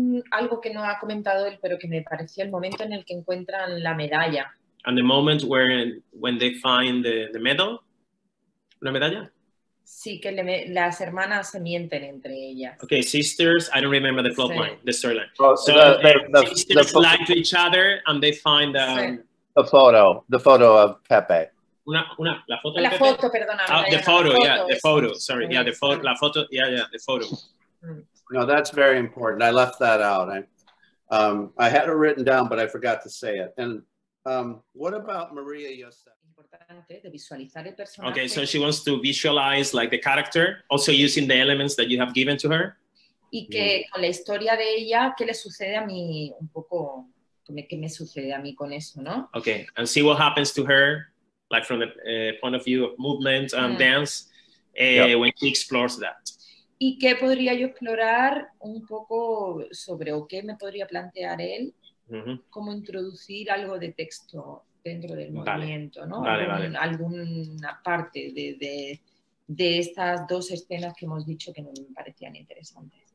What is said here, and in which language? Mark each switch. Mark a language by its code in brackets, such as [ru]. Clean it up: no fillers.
[es] Algo que no ha comentado él, pero que me pareció el momento en el que encuentran la medalla. [en] And the moment when they find the medal. [es] ¿La medalla? Sí, que le, las hermanas se mienten entre ellas. [en] Okay, sisters, I don't remember the plotline, the storyline. So the sisters lie to each other and they find a photo, the photo of Pepe. [es] La foto, perdona. [en] No, that's very important. I left that out. I had it written down, but I forgot to say it. And what about Maria Josep? Okay, so she wants to visualize like the character, also using the elements that you have given to her. [es] Y que con la historia de ella, ¿qué le sucede a mí un poco? ¿Qué me sucede a mí con eso, no? [en] Okay, and see what happens to her, like from the point of view of movement and dance, when she explores that. [es] ¿Y qué podría yo explorar un poco sobre, o qué me podría plantear él, cómo introducir algo de texto dentro del movimiento, vale, ¿no? Vale, vale. Alguna parte de estas dos escenas que hemos dicho que no me parecían interesantes.